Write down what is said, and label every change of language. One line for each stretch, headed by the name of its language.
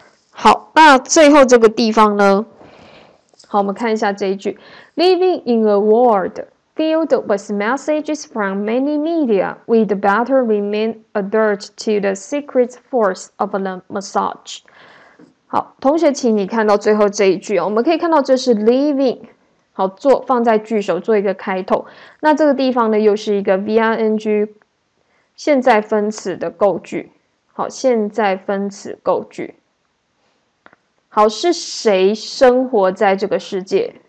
Chinese: 好，那最后这个地方呢，好，我们看一下这一句。
English: Living in a world filled with messages from many media, we'd better remain alert to the secret force of the massage.
Chinese: 好，同学请你看到最后这一句、哦、我们可以看到这是 living， 好，做放在句首做一个开头。那这个地方呢又是一个 VING 现在分词的构句。好，现在分词构句。好，是谁生活在这个世界？